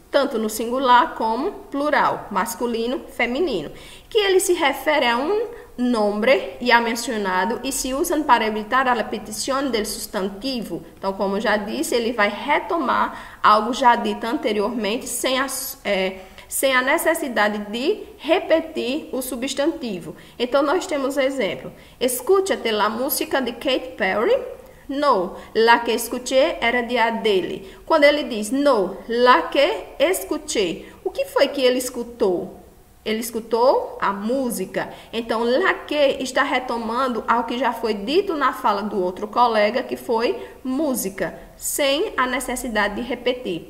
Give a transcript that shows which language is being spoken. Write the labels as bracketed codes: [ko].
[pt] tanto no singular como plural, masculino, feminino, que ele se refere a um nome já mencionado e se usam para evitar a repetição do substantivo. Então, como já disse, ele vai retomar algo já dito anteriormente sem a necessidade de repetir o substantivo. Então, nós temos exemplo. Escute a música de Katy Perry. [es] No, la que escuché era de Adele. [pt] Quando ele diz [es] no, la que escuché, [pt] o que foi que ele escutou? Ele escutou a música. Então, la que está retomando ao que já foi dito na fala do outro colega, que foi música, sem a necessidade de repetir.